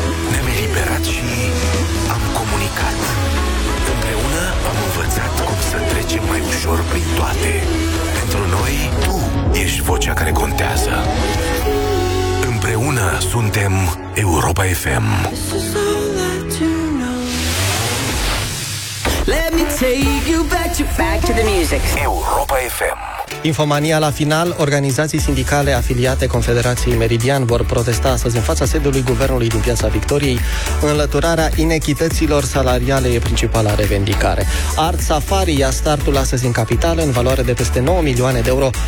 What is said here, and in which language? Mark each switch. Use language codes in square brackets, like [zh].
[ro] Ne-am eliberat și am comunicat. Împreună am învățat cum să trecem mai ușor prin toate. Pentru noi, tu ești vocea care contează. Împreună suntem Europa FM. [en] Let me take you back to the music. [ro] Europa FM. Infomania la final. Organizații sindicale afiliate Confederației Meridian vor protesta astăzi în fața sediului Guvernului din Piața Victoriei. Înlăturarea inechităților salariale e principala revendicare. Art Safari ia startul astăzi în capitală în valoare de peste 9 milioane de euro.